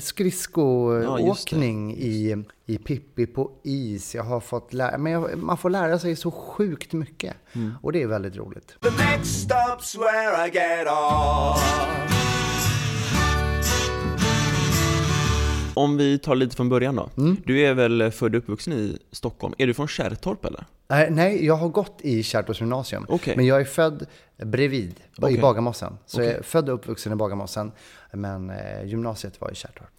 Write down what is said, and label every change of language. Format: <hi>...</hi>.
<sv>Skridskoåkning i Pippi på is. Jag har fått lära mig, man får lära sig så sjukt mycket. Mm. Och det är väldigt roligt.</sv> <en>The next stop's where I get off.</en> <sv>Om vi tar lite från början då. Mm. Du är väl född och uppvuxen i Stockholm. Är du från Kärrtorp eller? Nej, jag har gått i Kärrtorps gymnasium. Okay. Men jag är född bredvid, i Bagarmossen. Så jag är född och uppvuxen i Bagarmossen. Men gymnasiet var i Kärrtorp.</sv>